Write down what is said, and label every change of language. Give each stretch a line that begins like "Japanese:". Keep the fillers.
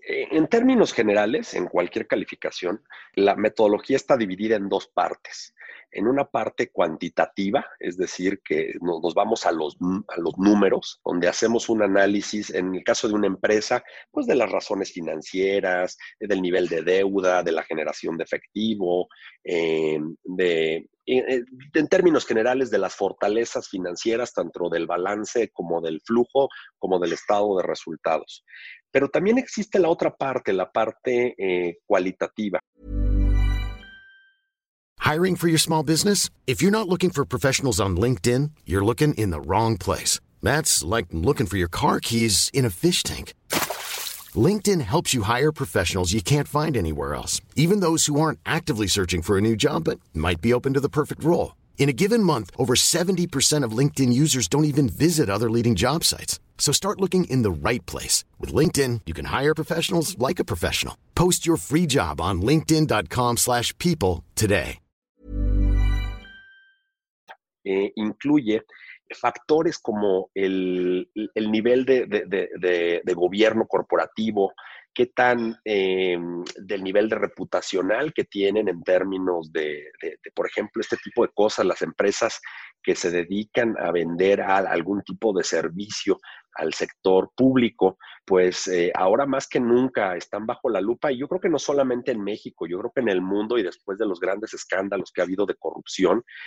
Spanish: En términos generales, en cualquier calificación, la metodología está dividida en dos partes en una parte cuantitativa, es decir, que nos, vamos a los, a los, números, donde hacemos un análisis, en el caso de una empresa, pues de las razones financieras, del nivel de deuda, de la generación de efectivo, eh, de, en, términos generales de las fortalezas financieras, tanto del balance como del flujo, como del estado de resultados. Pero también existe la otra parte, la parte eh, cualitativa.
English: Hiring for your small business? If you're not looking for professionals on LinkedIn, you're looking in the wrong place. That's like looking for your car keys in a fish tank. LinkedIn helps you hire professionals you can't find anywhere else, even those who aren't actively searching for a new job but might be open to the perfect role. In a given month, over 70% of LinkedIn users don't even visit other leading job sites. So start looking in the right place. With LinkedIn, you can hire professionals like a professional. Post your free job on linkedin.com/people today.
Spanish: Eh, incluye factores como el, el nivel de, de, de, de, gobierno corporativo, qué tan eh, del nivel de reputacional que tienen en términos de, por ejemplo, este tipo de cosas, las empresas que se dedican a vender a algún tipo de servicio, al sector público, pues eh, ahora más que nunca están bajo la lupa y yo creo que no solamente en México, yo creo que en el mundo y después de los grandes escándalos que ha habido de corrupción,